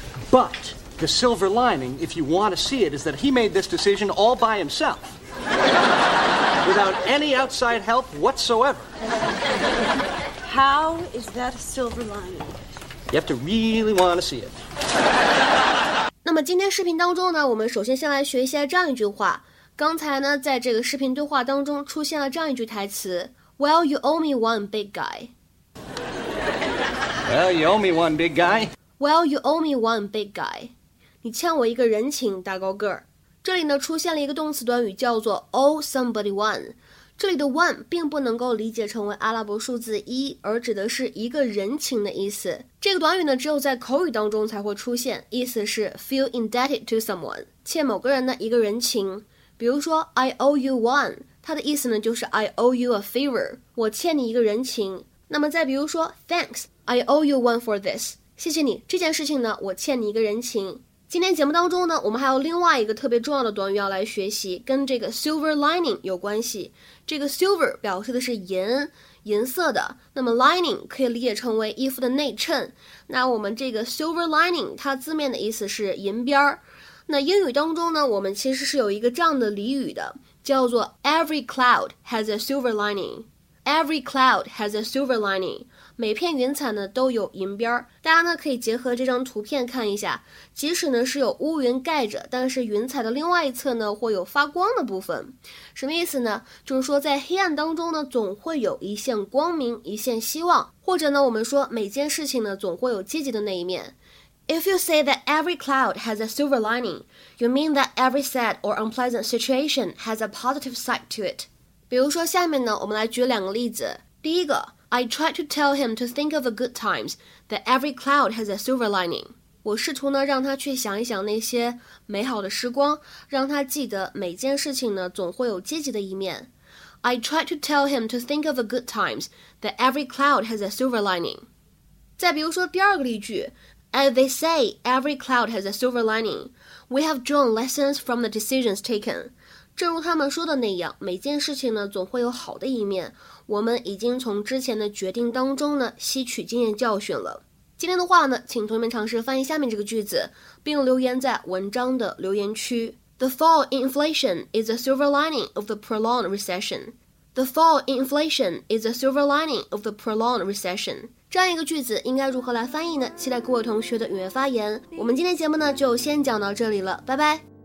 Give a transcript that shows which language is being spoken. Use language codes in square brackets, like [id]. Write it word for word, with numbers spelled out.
[en] But... The silver lining, if you want to see it, is that he made this decision all by himself, without any outside help whatsoever. How is that a silver lining? You have to really want to see it. [zh] 那么今天视频当中呢，我们首先先来学一下这样一句话。刚才呢，在这个视频对话当中出现了这样一句台词 ： Well, you owe me one, big guy. [en] Well, you owe me one, big guy. Well, you owe me one, big guy. [zh] 你欠我一个人情，大高个儿。这里呢出现了一个动词短语叫做 owe somebody one，这里的 one 并不能够理解成为阿拉伯数字一，而指的是一个人情的意思。这个短语呢只有在口语当中才会出现，意思是 feel indebted to someone，欠某个人呢一个人情。比如说 I owe you one，它的意思呢就是 I owe you a favor，我欠你一个人情。那么再比如说 Thanks, I owe you one for this，谢谢你，这件事情呢我欠你一个人情。今天节目当中呢，我们还有另外一个特别重要的短语要来学习，跟这个 silver lining 有关系。这个 silver 表示的是银，银色的，那么 lining 可以理解成为衣服的内衬。那我们这个 silver lining 它字面的意思是银边儿。那英语当中呢，我们其实是有一个这样的俚语的，叫做 every cloud has a silver lining。Every cloud has a silver lining. 每片云彩呢都有银边儿，大家呢可以结合这张图片看一下，即使呢是有乌云盖着，但是云彩的另外一侧呢会有发光的部分。什么意思呢？就是说在黑暗当中呢总会有一线光明，一线希望，或者呢我们说每件事情呢总会有积极的那一面。 [en] If you say that every cloud has a silver lining, you mean that every sad or unpleasant situation has a positive side to it. [zh] 比如说下面呢我们来举两个例子。 [en] 第一个 I tried to tell him to think of the good times, that every cloud has a silver lining. [zh] 我试图呢让他去想一想那些美好的时光，让他记得每件事情呢总会有积极的一面。 [en] I tried to tell him to think of the good times, that every cloud has a silver lining. 再比如说第二个例句 As they say, every cloud has a silver lining. We have drawn lessons from the decisions taken. [zh] 正如他们说的那样，每件事情呢总会有好的一面。我们已经从之前的决定当中呢吸取经验教训了。今天的话呢，请同学们尝试翻译下面这个句子，并留言在文章的留言区。 [en] The fall in inflation is the silver lining of the prolonged recession. The fall in inflation is the silver lining of the prolonged recession. [zh] 这样一个句子应该如何来翻译呢？期待各位同学的踊跃发言。我们今天节目呢就先讲到这里了，拜拜。